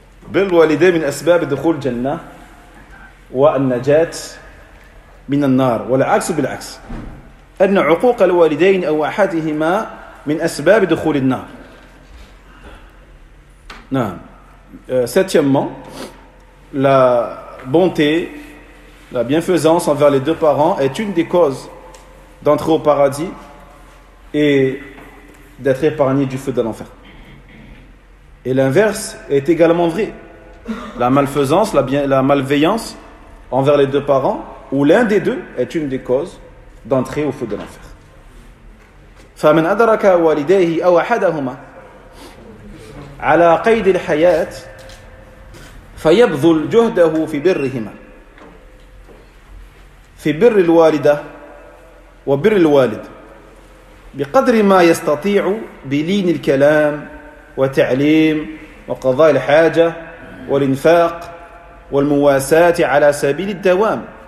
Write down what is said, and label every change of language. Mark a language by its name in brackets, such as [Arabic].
[Arabic] بر الوالدين من أسباب دخول الجنة والنجاة من النار والعكس بالعكس أن عقوق الوالدين أو أحدهما من أسباب دخول النار. نعم. [French] Septièmement, la bonté, la bienfaisance envers les deux parents est une des causes d'entrer au paradis et d'être épargné du feu de l'enfer. Et l'inverse est également vrai. La malfaisance, la malveillance envers les deux parents, ou l'un des deux, est une des causes d'entrer au feu de l'enfer. [Arabic] فَمَنْ أَدْرَكَ وَالِدَيْهِ أَوْ أَحَدَهُمَا عَلَى قَيْدِ الْحَيَاةِ فَيَبْذُلْ جُهْدَهُ فِي بِرِّهِمَا فِي بِرِّ الْوَالِدَةِ وَبِرِّ الْوَالِدِ بقدر ما يستطيع بلين الكلام وتعليم وقضاء الحاجة والإنفاق والمواساة على سبيل الدوام